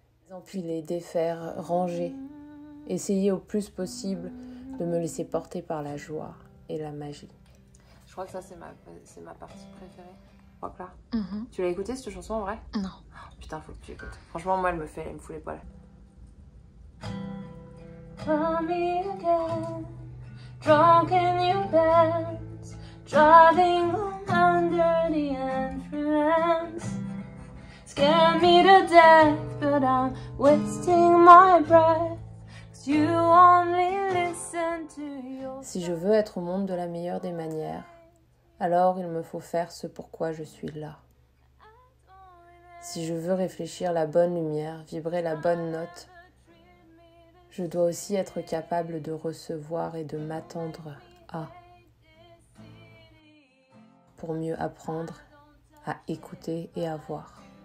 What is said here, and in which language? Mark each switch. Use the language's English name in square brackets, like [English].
[French] Empiler, défaire, ranger. Essayer au plus possible de me laisser porter par la joie et la magie. Je crois que ça, c'est ma partie préférée. Oh, là. Mm-hmm. Tu l'as écoutée, cette chanson, en vrai? Non. Oh, putain, faut que tu écoutes. Franchement, moi, elle me fout les poils. [English] Call me again, drunk in your bed, driving under the entrance. Scared me to death, but I'm wasting my breath. You only listen to your... [French] Si je veux être au monde de la meilleure des manières, alors il me faut faire ce pourquoi je suis là. Si je veux réfléchir la bonne lumière, vibrer la bonne note, je dois aussi être capable de recevoir et de m'attendre à, pour mieux apprendre à écouter et à voir.